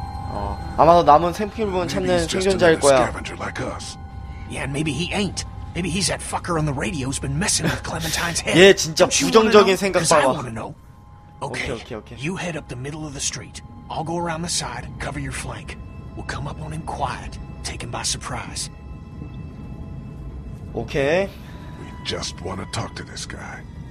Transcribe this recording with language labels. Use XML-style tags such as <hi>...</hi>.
<ko>어, 아마도 남은 생필품을 찾는 생존자일 거야.</ko> <en>Yeah, maybe he ain't. Maybe he's that fucker on the radio's been messing with Clementine's head.</en> <ko>얘 진짜 부정적인 생각 봐봐.</ko> <en>Okay. You head up the middle of the street. I'll go around the side, cover your flank. We'll come up on him quiet, taken by surprise. Okay. We just want to talk to this guy.</en>